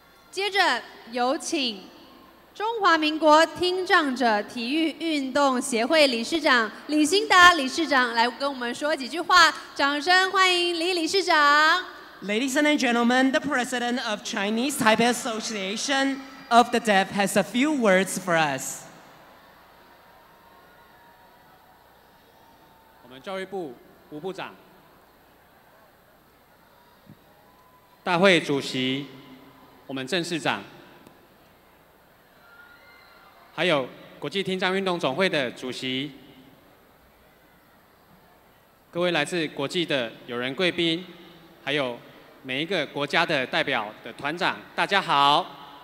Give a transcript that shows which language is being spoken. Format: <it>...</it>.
<zh>接着有请中华民国听障者体育运动协会理事长李兴达理事长来跟我们说几句话，掌声欢迎李理事长。</zh> <en>Ladies and gentlemen, the President of Chinese Taipei Association of the Deaf has a few words for us.</en> <zh>我们教育部吴部长，大会主席，我们郑市长，还有国际听障运动总会的主席，各位来自国际的友人贵宾，还有每一个国家的代表的团长，大家好。</zh>